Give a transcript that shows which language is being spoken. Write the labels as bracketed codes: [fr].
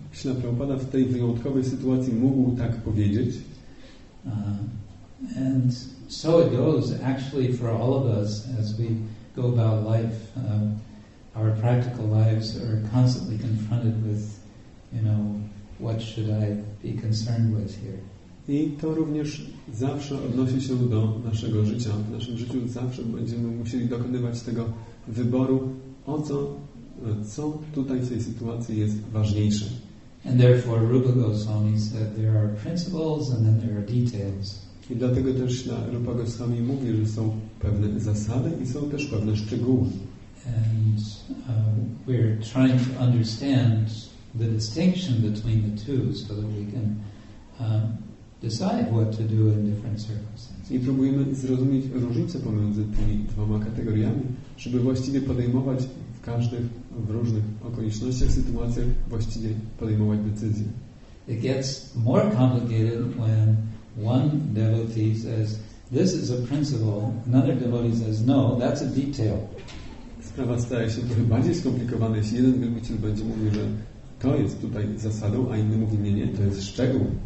[pl] Śrila Prabhupada w tej wyjątkowej sytuacji mógł tak powiedzieć. [en] And so it goes actually for all of us as we go about life. Our practical lives are constantly confronted with, you know, what should I be concerned with here? [pl] I to również zawsze odnosi się do naszego życia. W naszym życiu zawsze będziemy musieli dokonywać tego wyboru, o co tutaj w tej sytuacji jest ważniejsze. [en] And therefore Rupa Goswami said there are principles and then there are details. [pl] I dlatego też Rupa Goswami mówi, że są pewne zasady i są też pewne szczegóły. [en] And we're trying to understand the distinction between the two so that we can decide what to do in different circumstances. [pl] I próbujemy zrozumieć różnicę pomiędzy tymi dwoma kategoriami, żeby właściwie podejmować w każdych, w różnych okolicznościach, sytuacjach, właściwie podejmować decyzje. [en] It gets more complicated when one devotee says, this is a principle, another devotee says, no, that's a detail. [pl] Sprawa staje się trochę bardziej skomplikowana, jeśli jeden wielbiciel będzie mówił, że to jest tutaj zasadą, a inny mówi, nie, to jest szczegół.